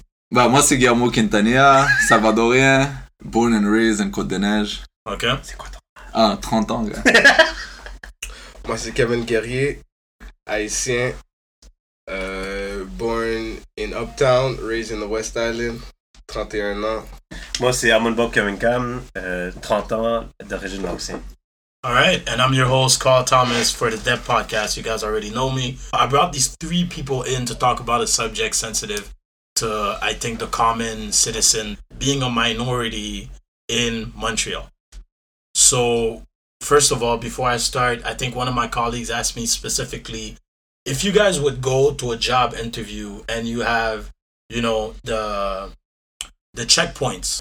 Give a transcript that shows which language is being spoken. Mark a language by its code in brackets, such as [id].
[fr] Bah, moi, c'est Guillermo Quintanilla, Salvadorien, [en] born and raised in [fr] Côte de Neige. [en] Ok. [fr] Ah, 30 ans, gars. Moi, c'est Kevin Guerrier, haïtien. [en] Born in Uptown, raised in the West Island, [fr] 31 ans. Moi, c'est Amone Bob K, 30 ans, d'origine laotienne. [en] All right, and I'm your host, Carl Thomas, for the Dep Podcast. You guys already know me. I brought these three people in to talk about a subject sensitive to, I think, the common citizen, being a minority in Montreal. So, first of all, before I start, I think one of my colleagues asked me specifically, if you guys would go to a job interview and you have, you know, the checkpoints.